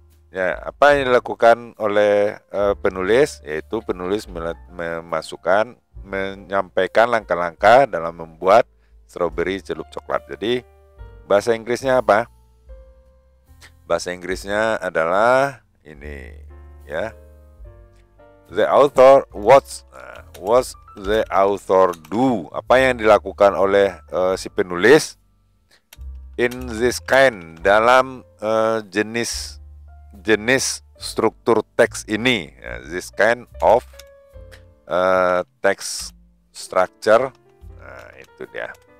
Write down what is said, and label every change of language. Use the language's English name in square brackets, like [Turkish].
[Indonesian] Ya, apa yang dilakukan oleh penulis? Yaitu penulis memasukkan, menyampaikan langkah-langkah dalam membuat strawberry celup coklat. Jadi, bahasa Inggrisnya apa? Bahasa Inggrisnya adalah ini, ya. [English] The author, what's the author do? [Indonesian] Apa yang dilakukan oleh si penulis? [English] In this kind, [Indonesian] dalam jenis struktur teks ini, [English] this kind of text structure. [Indonesian] Nah, itu dia.